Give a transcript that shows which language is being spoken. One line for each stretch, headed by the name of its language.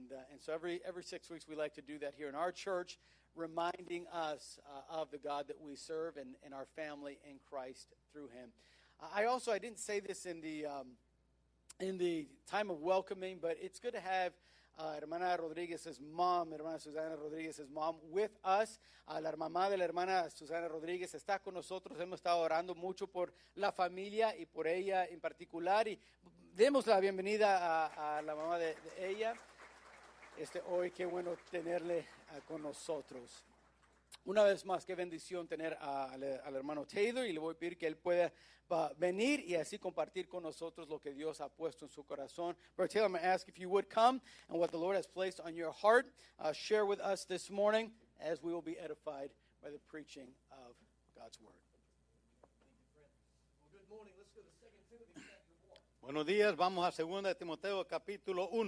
English: And so every 6 weeks we like to do that here in our church, reminding us of the God that we serve and our family in Christ through him. I didn't say this in the time of welcoming, but it's good to have Hermana Susana Rodriguez's mom with us.
Spanish: La mamá de la hermana Susana Rodriguez está con nosotros. Hemos estado orando mucho por la familia y por ella en particular. Y demos la bienvenida a la mamá de ella. Hoy qué bueno tenerle con nosotros. Una vez más, qué bendición tener al hermano Taylor, y le voy a pedir que él pueda venir y así compartir con nosotros lo que Dios ha puesto en su corazón.
English: Brother Taylor, I'm going to ask if you would come and what the Lord has placed on your heart, share with us this morning, as we will be edified by the preaching of God's word. Well, good morning. Let's go to 2 Timothy chapter 1.
Spanish: Buenos días. Vamos a 2 Timoteo capítulo 1.